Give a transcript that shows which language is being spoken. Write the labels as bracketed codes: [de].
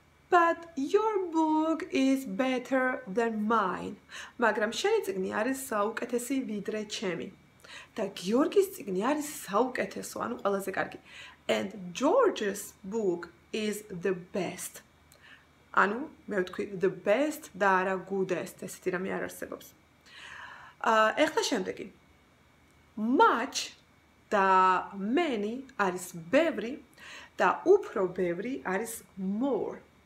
[en] But your book is better than mine. [ka] მაგრამ შენი წიგნი არის საუკეთესი ვიდრე ჩემი. და გიორგის წიგნი არის საუკეთესო, ანუ ყველაზე კარგი. And George's book is the best. ანუ მე ვთქვი [en] the best [ka] და არა goodest, ესეთი რამე არ არსებობს. ახლა შემდეგი. Much და many არის ბევრი და უფრო ბევრი არის more.